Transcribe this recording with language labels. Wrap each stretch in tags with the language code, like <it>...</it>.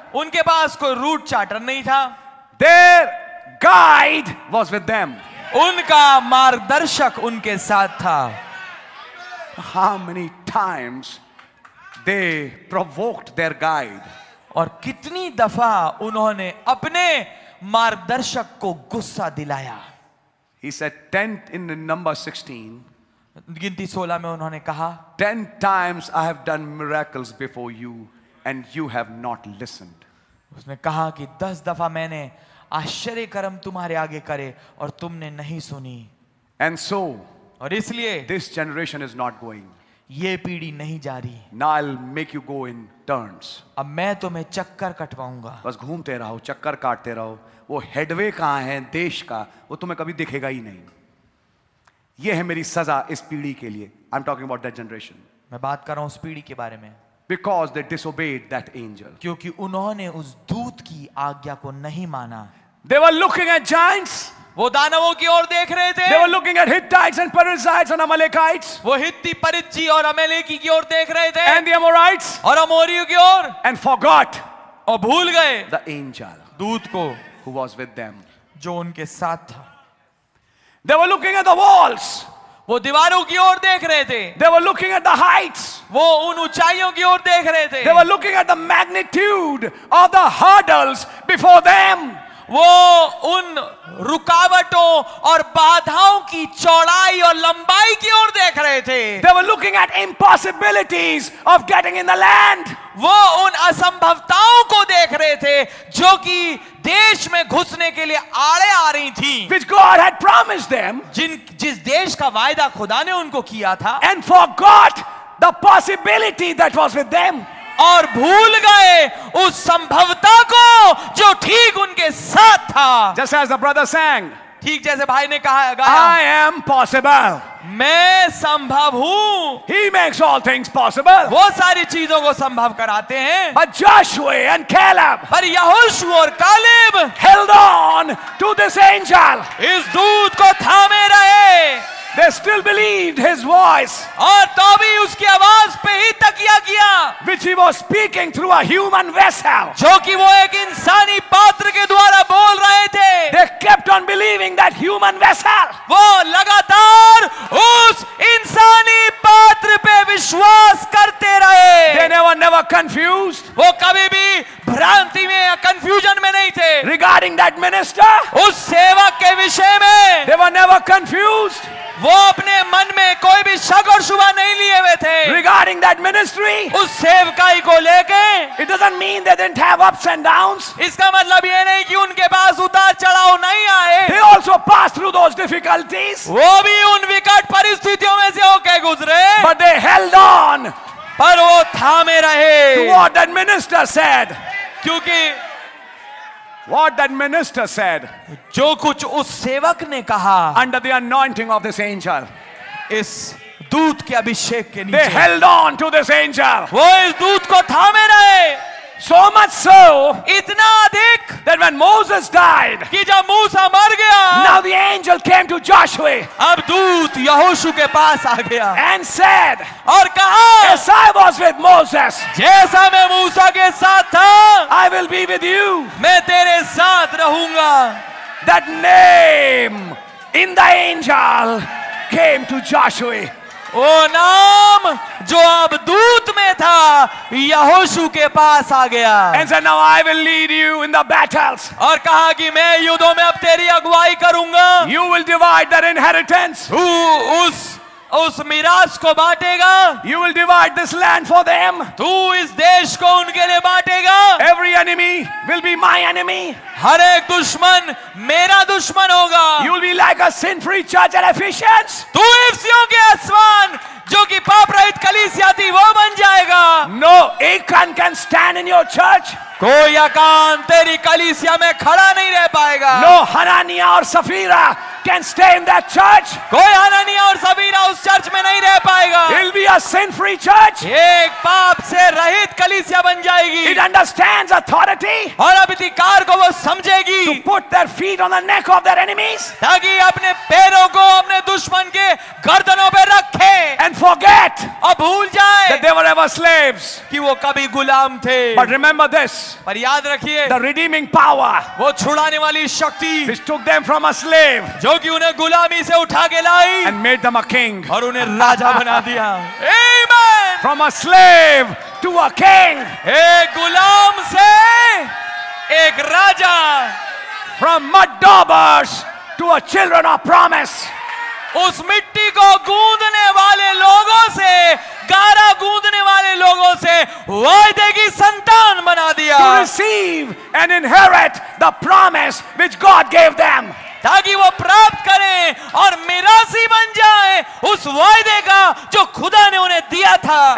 <hi>उनके पास कोई root charter नहीं था।</hi> <en>Their guide was with them.</en> <hi>उनका मार्गदर्शक उनके साथ था।</hi> <en>How many times they provoked their guide?</en> <hi>और कितनी दफा उन्होंने अपने मार्गदर्शक को गुस्सा दिलाया?</hi> <en>He said 10 in the number 16.</en> <hi>गिनती 16 में उन्होंने कहा,</hi> <en>10 times I have done miracles before you and you have not listened.</en> <hi>उसने कहा कि 10 दफा मैंने आश्चर्यकर्म तुम्हारे आगे करे और तुमने नहीं सुनी।</hi> <en>And so</en> <hi>और इसलिए</hi> <en>this generation is not going,</en> <hi>ये पीढ़ी नहीं जा रही।</hi> <en>now I will make you go in turns,</en> <hi>अब मैं तुम्हें चक्कर कटवाऊंगा। बस घूमते रहो, चक्कर काटते रहो, वो हेडवे कहां है देश का वो तुम्हें कभी दिखेगा ही नहीं। ये है मेरी सजा इस पीढ़ी के लिए।</hi> <en>I am talking about that generation,</en> <hi>मैं बात कर रहा हूं उस पीढ़ी के बारे में।</hi> <en>because they disobeyed that angel,</en> <hi>क्योंकि उन्होंने उस दूत की आज्ञा को नहीं माना।</hi> <en>they were looking at giants,</en> <hi>वो दानवों की ओर देख रहे थे।</hi> <en>They were looking at Hittites and Perizzites and Amalekites.</en> <hi>वो हित्ती परिज्जी और अमालेकी की ओर देख रहे थे।</hi> <en>And the Amorites.</en> <hi>और अमोरियों की ओर।</hi> <en>And forgot.</en> <hi>और भूल गए।</hi> <en>The angel.</en> <hi>दूत को।</hi> <en>Who was with them.</en> <hi>जो उनके साथ था।</hi> <en>They were looking at the walls.</en> <hi>वो दीवारों की ओर देख रहे थे।</hi> <en>They were looking at the heights.</en> <hi>वो उन ऊंचाइयों की ओर देख रहे थे।</hi> <en>They were looking at the magnitude of the hurdles before them.</en> <hi>वो उन रुकावटों और बाधाओं की चौड़ाई और लंबाई की ओर देख रहे थे।</hi> <en>They were looking at impossibilities of getting in the land.</en> <hi>वो उन असंभवताओं को देख रहे थे जो कि देश में घुसने के लिए आड़े आ रही थी।</hi> <en>Which God had promised them.</en> <hi>जिस देश का वायदा खुदा ने उनको किया था।</hi> <en>And forgot the possibility that was with them.</en> <hi>और भूल गए उस संभवता को जो ठीक उनके साथ था।</hi> <en>Just as the brother sang,</en> <hi>ठीक जैसे भाई ने कहा,</hi> <en>I am possible.</en> <hi>मैं संभव हूं।</hi> <en>He makes all things possible.</en> <hi>वो सारी चीजों को संभव कराते हैं।</hi> <en>But Joshua and Caleb,</en> <hi>पर यहोशुआ और Caleb,</hi> <en>held on to this angel.</en> <hi>इस दूत को थामे रहे।</hi> <en>They still believed his voice.</en> <hi>और तो भी उसकी आवाज पे ही तकिया किया.</hi> <en>Which he was speaking through a human vessel.</en> <hi>जो कि वो एक इंसानी पात्र के द्वारा बोल रहे थे.</hi> <en>They kept on believing that human vessel.</en> <hi>वो लगातार उस इंसानी पात्र पे विश्वास करते रहे.</hi> <en>They never confused.</en> <hi>वो कभी भी भ्रांति में या कंफ्यूजन में नहीं थे.</hi> <en>Regarding that minister.</en> <hi>उस सेवक के विषय में.</hi> <en>They were never confused.</en> <hi>वो अपने मन में कोई भी शक और शुभा नहीं लिए हुए थे.</hi> <en>Regarding that ministry,</en> <hi>उस सेवकाई को लेके.</hi> <en>It doesn't mean they didn't have ups and downs.</en> <hi>इसका मतलब ये नहीं कि उनके पास उतार चढ़ाव नहीं आए.</hi> <en>They also passed through those difficulties.</en> <hi>वो भी उन विकट परिस्थितियों में से होके गुजरे.</hi> <en>But they held on.</en> <hi>पर वो थामे रहे.</hi> <en>To what that minister said.</en> <hi>क्योंकि</hi> <en>What that minister said,</en> <hi>जो कुछ उस सेवक ने कहा,</hi> <en>under the anointing of this angel,</en> <hi>इस दूत के अभिषेक के नीचे,</hi> <en>they held on to this angel,</en> <hi>वो इस दूत को थामे रहे,</hi> <en>so much so,</en> <hi>इतना अधिक,</hi> <en>that when Moses died,</en> <hi>कि जब मूसा मर गया,</hi> <en>now the angel came to Joshua,</en> <hi>अब दूत यहोशू के पास आ गया,</hi> <en>and said,</en> <hi>और कहा,</hi> <en>as I was with Moses,</en> <hi>जैसा मैं मूसा के साथ था,</hi> <en>I will be with you.</en> <hi>मैं तेरे साथ रहूंगा.</hi> <en>That name in the angel came to Joshua.</en> <hi>वो नाम जो अब दूत में था यहोशू के पास आ गया.</hi> <en>And said, now I will lead you in the battles.</en> <hi>और कहा कि मैं युद्धों में अब तेरी अगुवाई करूंगा.</hi> <en>You will divide that inheritance.</en> <hi>उस मिराश को बांटेगा.</hi> <en>You will divide this land for them.</en> <hi>तू इस देश को उनके लिए बांटेगा.</hi> <en>Every enemy will be my enemy.</en> <hi>हर एक दुश्मन मेरा दुश्मन होगा.</hi> <en>You will be like a sin-free church at Ephesians.</en> <hi>तू इफिसियों के आसमान जो कि पाप रहित कलीसिया थी वो बन जाएगा.</hi> <en>No Achan can stand in your church.</en> <hi>कोई अकान तेरी कलीसिया में खड़ा नहीं रह पाएगा.</hi> <en>No Hananiah</en> <hi>और</hi> <en>Sapphira can stay in that church.</en> <hi>कोई हनानिया और सफीरा उस चर्च में नहीं रह पाएगा.</hi> <en>It'll be a sin-free church.</en> <hi>एक पाप से रहित कलीसिया बन जाएगी.</hi> <en>It understands authority.</en> <hi>और अधिकार को वो समझेगी.</hi> <en>To put their feet on the neck of their enemies.</en> <hi>ताकि अपने पैरों को अपने दुश्मन के गर्दनों पे रखे.</hi> <en>And forget.</en> <hi>और भूल जाए.</hi> <en>That they were ever slaves.</en> <hi>कि वो कभी गुलाम थे.</hi> <en>But remember this.</en> <hi>पर याद रखिए.</hi> <en>The redeeming power.</en> <hi>वो छुड़ाने वाली शक्ति.</hi> <en>Which took them from a slave.</en> <hi>जो कि उन्हें गुलामी से उठा के लाई.</hi> <en>And made them a king.</en> <hi>और उन्हें राजा बना दिया.</hi> <en>Amen. From a slave to a king.</en> <hi>एक गुलाम से एक राजा.</hi> <en>From mud daubers to a children of promise.</en> <hi>उस मिट्टी को गूंदने वाले लोगों से गारा गूंदने वाले लोगों से वायदे की संतान बना दिया.</hi> <en>To receive and inherit the promise which God gave them.</en> <hi>ताकि वो प्राप्त करें और मिरासी बन जाएं उस वायदे का जो खुदा ने उन्हें दिया था.</hi>